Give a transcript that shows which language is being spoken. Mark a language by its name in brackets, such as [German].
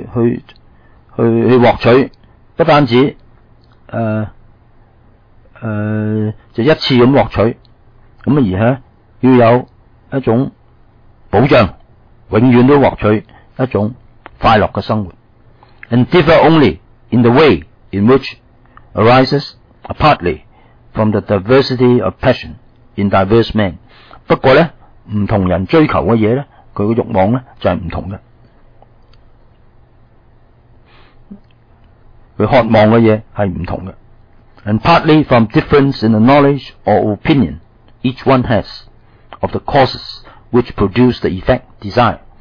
[Cantonese] 去获取，不单止就一次咁获取，咁而系要有一种保障，永远都获取一种快乐嘅生活。 [English] And differ only in the way in which arises partly from the diversity of passion in diverse men。 [Cantonese] 不过咧，唔同人追求嘅嘢咧。佢個欲望咧就係唔同嘅，佢渴望嘅嘢係唔同嘅。 [English] And partly from difference in the knowledge or opinion each one has of the causes which produce the effect desire。